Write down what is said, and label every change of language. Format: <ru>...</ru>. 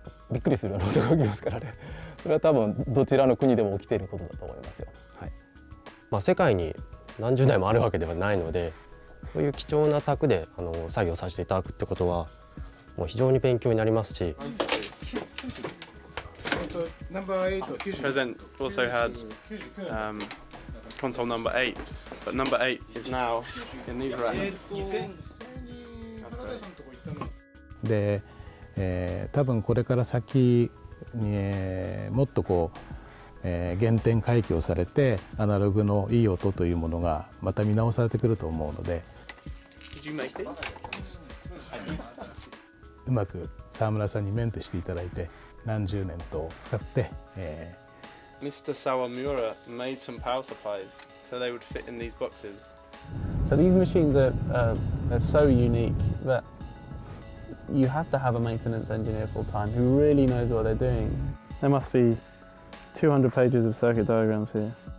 <ja>びっくりするような音が起きますからね。それは多分どちらの国でも起きていることだと思いますよ。はい。まあ世界に何十台もあるわけではないので、こういう貴重な宅で作業させていただくってことはもう非常に勉強になりますし。</ja> <en>Present also had console number 8, but number 8 is now in these racks.</en> <ja>で、多分これから先にもっとこう、原点回帰をされてアナログのいい音というものがまた見直されてくると思うので、うまく沢村さんにメンテしていただいて何十年と使って、</ja> <en>Mr. Sawamura made some power supplies so they would fit in these boxes. So these machines are so unique that you have to have a maintenance engineer full time who really knows what they're doing. There must be 200 pages of circuit diagrams here.</en>